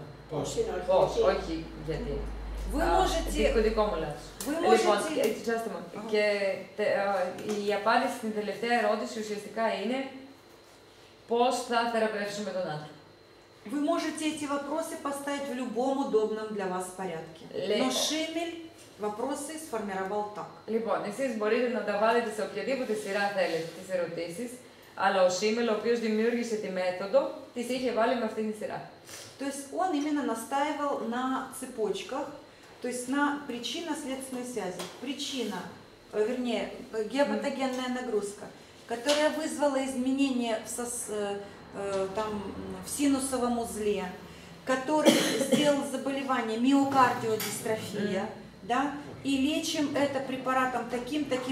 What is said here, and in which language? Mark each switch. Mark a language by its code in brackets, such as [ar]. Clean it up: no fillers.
[el] Πώς. Πώς, όχι γιατί. [ru] Вы можете... [el] Επικοντικό μου λάθος. Λοιπόν, και η απάντηση στην τελευταία ερώτηση ουσιαστικά είναι πώς θα θεραπεύσουμε τον άνθρωπο. [ru] Вы можете эти вопросы поставить в любом удобном для вас порядке. Но Шимель вопросы сформировал так. [el] Λοιπόν, εσείς μπορείτε να τα βάλετε σε οποιαδήποτε σειρά θέλετε τις ερωτήσεις, αλλά ο Шимель, ο οποίος δημιούργησε τη μέθοδο, τις είχε βάλει με αυτήν τη σειρά. [ru] То есть он именно настаивал на цепочках, то есть на причинно-следственной связи. Причина, вернее, геопатогенная нагрузка, которая вызвала изменения в там в синусовом узле, который сделал заболевание миокардиодистрофия, да, и лечим это препаратом таким.